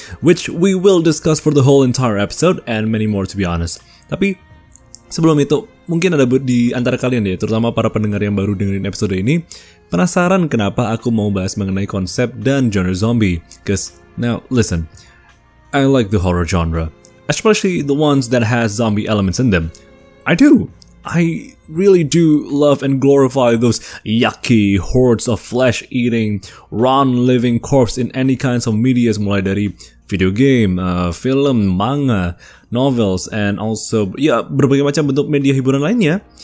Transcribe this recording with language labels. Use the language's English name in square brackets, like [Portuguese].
[English] Which we will discuss for the whole entire episode and many more to be honest. [Indonesian] Tapi sebelum itu, mungkin ada di antara kalian deh, terutama para pendengar yang baru dengerin episode ini, penasaran kenapa aku mau bahas mengenai konsep dan genre zombie. [English] Cause now listen, I like the horror genre, especially the ones that has zombie elements in them. I do, I really do love and glorify those yucky hordes of flesh-eating, rotten living corpse in any kinds of medias, [Indonesian] mulai dari [English] video game, film, manga, novels, and also, yeah, [Indonesian] berbagai macam bentuk media hiburan lainnya.